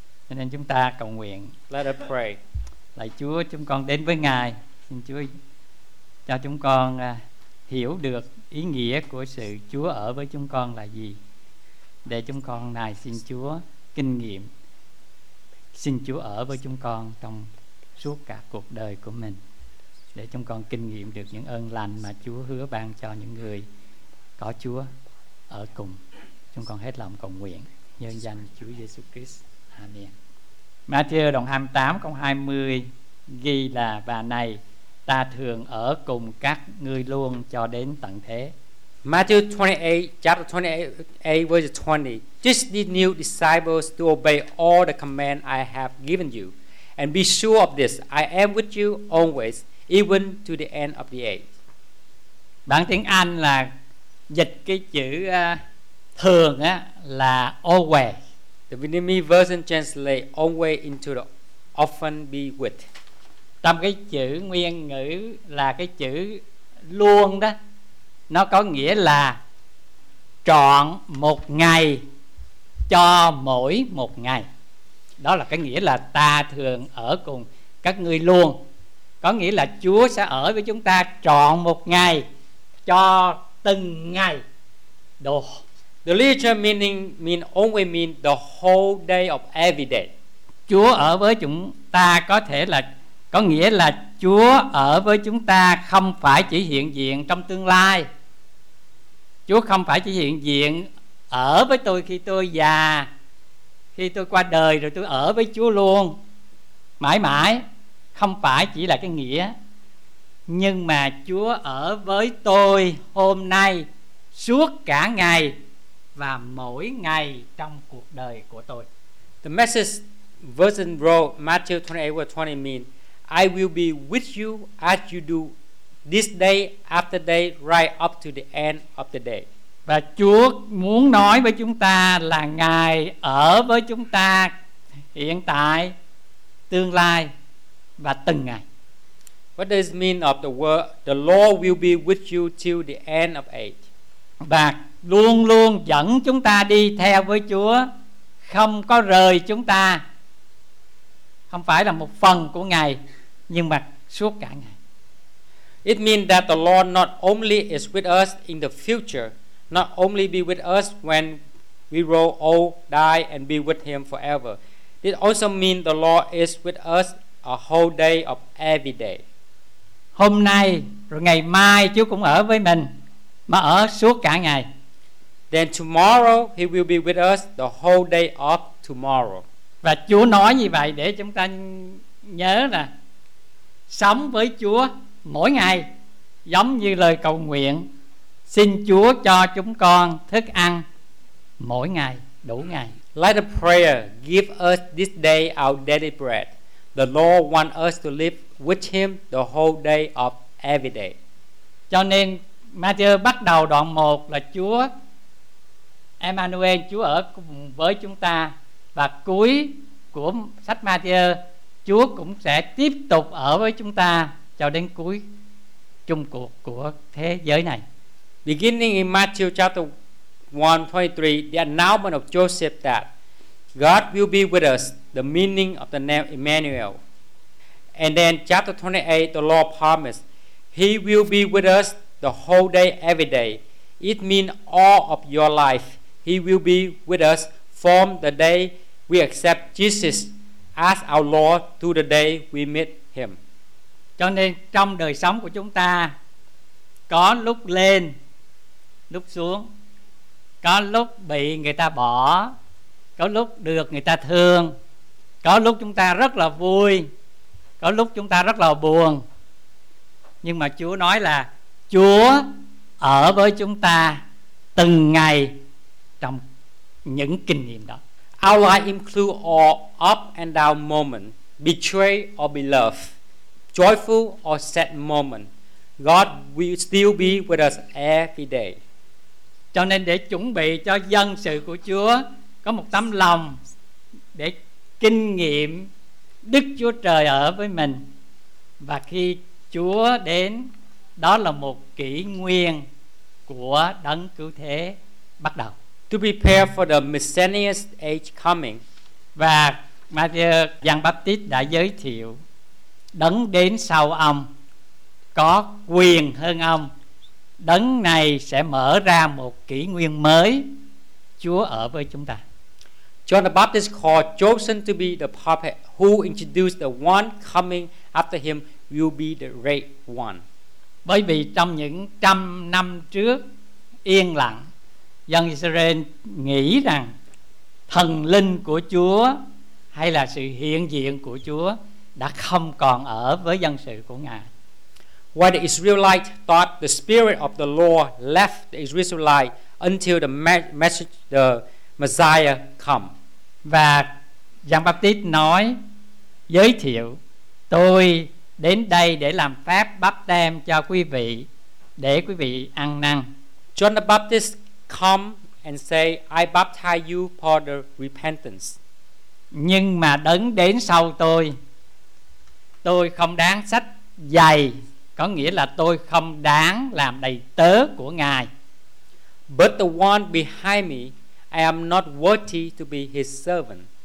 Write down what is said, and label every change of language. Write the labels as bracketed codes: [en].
[vi] Cho nên chúng ta cầu nguyện. [en] Let us pray. [vi] Lạy Chúa, chúng con đến với Ngài, xin Chúa cho chúng con hiểu được ý nghĩa của sự Chúa ở với chúng con là gì, để chúng con nài xin Chúa kinh nghiệm, xin Chúa ở với chúng con trong suốt cả cuộc đời của mình, để chúng con kinh nghiệm được những ơn lành mà Chúa hứa ban cho những người có Chúa ở cùng. Chúng con hết lòng cầu nguyện nhân danh Chúa Giêsu Christ. Amen. Matthew đoạn 28 câu 20 ghi là: và này ta thường ở cùng các ngươi luôn cho đến tận thế. [en] Matthew 28 chapter 28 verse 20. Teach the new disciples to obey all the command I have given you, and be sure of this: I am with you always, even to the end of the age. [vi] Bản tiếng Anh là dịch cái chữ thường á là always. [en] The Vietnamese version translate always into the often be with. [vi] Trong cái chữ nguyên ngữ là cái chữ luôn đó, nó có nghĩa là trọn một ngày cho mỗi một ngày. Đó là cái nghĩa là ta thường ở cùng các ngươi luôn, có nghĩa là Chúa sẽ ở với chúng ta trọn một ngày cho từng ngày. Đồ. [en] The literal meaning mean always mean the whole day of every day. [vi] Chúa ở với chúng ta có thể là có nghĩa là Chúa ở với chúng ta không phải chỉ hiện diện trong tương lai. Chúa không phải chỉ hiện diện ở với tôi khi tôi già, khi tôi qua đời rồi tôi ở với Chúa luôn mãi mãi, không phải chỉ là cái nghĩa. Nhưng mà Chúa ở với tôi hôm nay suốt cả ngày và mỗi ngày trong cuộc đời của tôi. [en] The message version wrote Matthew 28:20 mean I will be with you as you do this day after day right up to the end of the day. [vi] Và Chúa muốn nói với chúng ta là Ngài ở với chúng ta hiện tại, tương lai và từng ngày. [en] What does it mean of the word the Lord will be with you till the end of age? [vi] Và luôn luôn dẫn chúng ta đi theo với Chúa, không có rời chúng ta, không phải là một phần của Ngài nhưng mà suốt cả ngày. [en] It means that the Lord not only is with us in the future, not only be with us when we grow old, die and be with him forever. It also means the Lord is with us a whole day of every day. [vi] Hôm nay rồi ngày mai Chúa cũng ở với mình mà ở suốt cả ngày. [en] Then tomorrow he will be with us the whole day of tomorrow. [vi] Và Chúa nói như vậy để chúng ta nhớ nè, sống với Chúa mỗi ngày giống như lời cầu nguyện: xin Chúa cho chúng con thức ăn mỗi ngày đủ ngày. [en] Like the prayer, give us this day our daily bread. The Lord wants us to live with him the whole day of every day. [vi] Cho nên Matthew bắt đầu đoạn 1 là Chúa Emmanuel, Chúa ở cùng với chúng ta, và cuối của sách Matthew Chúa cũng sẽ tiếp tục ở với chúng ta cho đến cuối chung cuộc của thế giới này. [en] Beginning in Matthew chapter 1:23, the announcement of Joseph that God will be with us, the meaning of the name Emmanuel. And then chapter 28, the Lord promised he will be with us the whole day, every day. It means all of your life he will be with us from the day we accept Jesus as our Lord to the day we meet him. [vi] Cho nên trong đời sống của chúng ta có lúc lên, lúc xuống, có lúc bị người ta bỏ, có lúc được người ta thương, có lúc chúng ta rất là vui, có lúc chúng ta rất là buồn. Nhưng mà Chúa nói là Chúa ở với chúng ta từng ngày trong những kinh nghiệm đó. [en] Our life includes all up and down moments, betrayed or beloved, joyful or sad moments. God will still be with us every day. [vi] Cho nên để chuẩn bị cho dân sự của Chúa có một tấm lòng để kinh nghiệm Đức Chúa Trời ở với mình, và khi Chúa đến, đó là một kỷ nguyên của Đấng Cứu Thế bắt đầu. [en] To prepare for the Messianic age coming. [vi] Và Matthew Giăng Baptist đã giới thiệu Đấng đến sau ông có quyền hơn ông. Đấng này sẽ mở ra một kỷ nguyên mới. Chúa ở với chúng ta. [en] John the Baptist called Joseph to be the prophet who introduced the one coming after him will be the great one. [vi] Bởi vì trong những trăm năm trước yên lặng, dân Israel nghĩ rằng thần linh của Chúa hay là sự hiện diện của Chúa đã không còn ở với dân sự của Ngài. [en] When the Israelites thought the Spirit of the Lord left the Israelites until the message the Messiah come. [vi] Và Giăng Baptít nói, giới thiệu, tôi đến đây để làm phép báp têm cho quý vị, để quý vị ăn năn. [en] John the Baptist come and say, I baptize you for the repentance. [vi] Nhưng mà đấng đến sau tôi không đáng xách giày, có nghĩa là tôi không đáng làm đầy tớ của Ngài. [en] But the one behind me, I am not worthy to be his servant.